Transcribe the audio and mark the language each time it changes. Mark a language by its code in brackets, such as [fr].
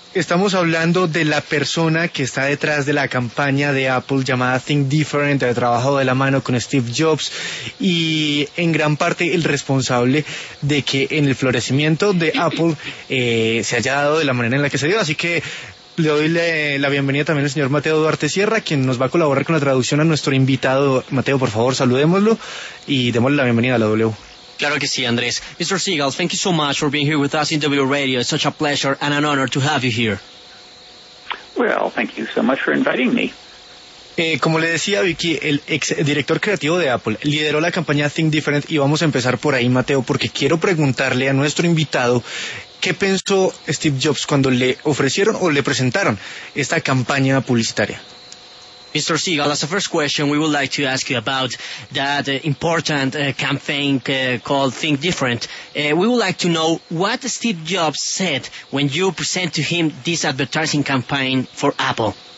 [es] Estamos hablando de la persona que está detrás de la campaña de Apple llamada Think Different, ha trabajado de la mano con Steve Jobs y en gran parte el responsable de que en el florecimiento de Apple se haya dado de la manera en la que se dio. Así que le doy la bienvenida también al señor Mateo Duarte Sierra, quien nos va a colaborar con la traducción a nuestro invitado. Mateo, por favor, saludémoslo y démosle la bienvenida a la W. Claro que sí, Andrés. Mr. [en] Siegel, thank you so much for being here with us in W Radio. It's such a pleasure and an honor to have you here. Well, thank you so much for inviting me. [es] Como le decía Vicky, el ex director creativo de Apple lideró la campaña Think Different y vamos a empezar por ahí, Mateo, porque quiero preguntarle a nuestro invitado qué pensó Steve Jobs cuando le ofrecieron o le presentaron esta campaña publicitaria. [en] Mr. Siegel, as a first question, we would like to ask you about that important campaign called Think Different. We would like to know what Steve Jobs said when you present to him this advertising campaign for Apple.